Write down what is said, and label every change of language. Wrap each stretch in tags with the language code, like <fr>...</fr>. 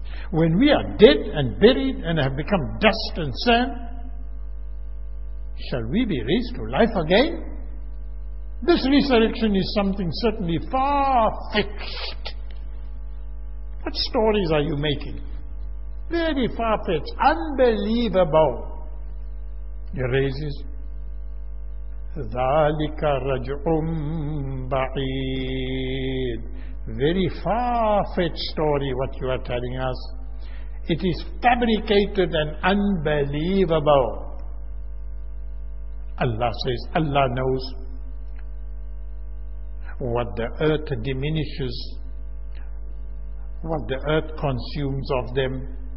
<en>When we are dead and buried and have become dust and sand, shall we be raised to life again? This resurrection is something certainly far-fetched. What stories are you making? Very far-fetched, unbelievable. He raises,</en> <ar>ذَلِكَ رَجْعٌ بَعِيدٌ.</ar> <en>Very far-fetched story what you are telling us. It is fabricated and unbelievable. Allah says, Allah knows what the earth diminishes, what the earth consumes of them.</en>